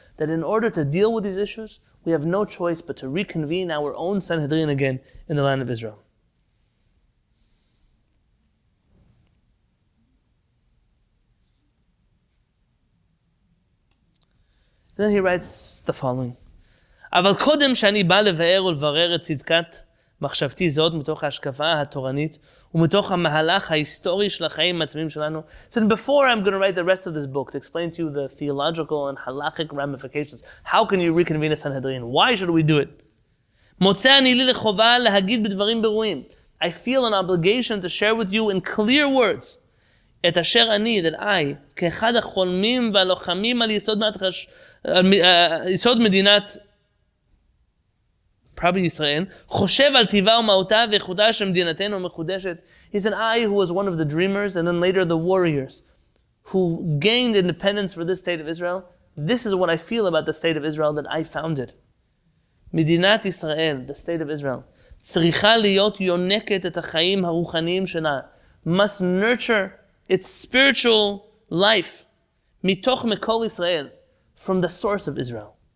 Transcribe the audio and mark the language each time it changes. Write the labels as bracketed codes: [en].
[en] That in order to deal with these issues, we have no choice but to reconvene our own Sanhedrin again in the land of Israel. Then he writes the following. [he] אבל קודם שאני בא לבאר ולברר את צדקת מחשבתי זאת מתוך ההשקפה התורנית ומתוך המהלך ההיסטורי של החיים העצמיים שלנו. [en] So before I'm going to write the rest of this book to explain to you the theological and halachic ramifications, how can you reconvene a Sanhedrin? Why should we do it? [he] מוצא אני לי לחובה להגיד בדברים ברורים. [en] I feel an obligation to share with you in clear words [he] את אשר אני, [en] that I, [he] כאחד החולמים והלוחמים על יסוד מדינת [en] probably [he] Israel, חושב על טבעה ומהותה ואיכותה של מדינתנו מחודשת. [en] He said, I, who was one of the dreamers and then later the warriors who gained independence for this state of Israel, this is what I feel about the state of Israel that I founded. [he] מדינת ישראל, [en] the state of Israel, [he] צריכה להיות יונקת את החיים הרוחניים שלה, [en] must nurture its spiritual life [he] מתוך מקור ישראל, [en] from the source of Israel.